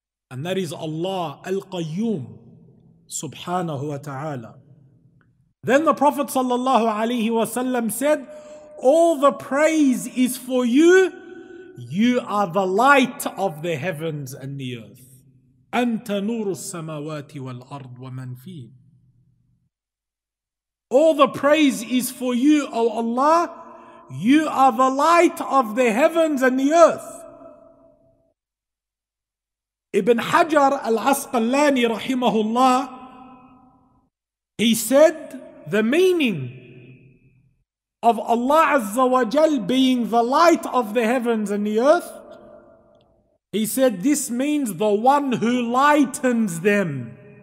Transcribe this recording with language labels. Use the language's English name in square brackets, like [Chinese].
[English] And that is Allah Al-Qayyum subhanahu wa ta'ala. Then the Prophet sallallahu alayhi wa sallam said, all the praise is for you. You are the light of the heavens and the earth. [Arabic] أنت نور السماوات والأرض ومن فيه. [English] All the praise is for you, O Allah. You are the light of the heavens and the earth. Ibn Hajar al-Asqalani rahimahullah, he said the meaning of Allah Azza wa Jal being the light of the heavens and the earth, he said this means the one who lightens them.